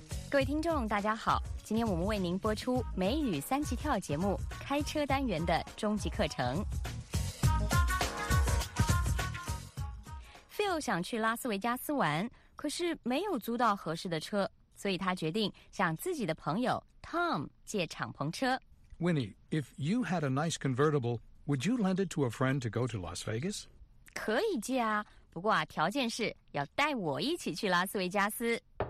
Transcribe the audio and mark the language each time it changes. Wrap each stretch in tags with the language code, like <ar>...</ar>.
<zh>各位听众大家好，今天我们为您播出美语三级跳节目开车单元的终极课程。 Phil 想去拉斯维加斯玩，可是没有租到合适的车，所以他决定向自己的朋友 Tom 借敞篷车。</zh> <en>Winnie, if you had a nice convertible, would you lend it to a friend to go to Las Vegas?</en> <zh>可以借啊，不过啊，条件是要带我一起去拉斯维加斯。</zh>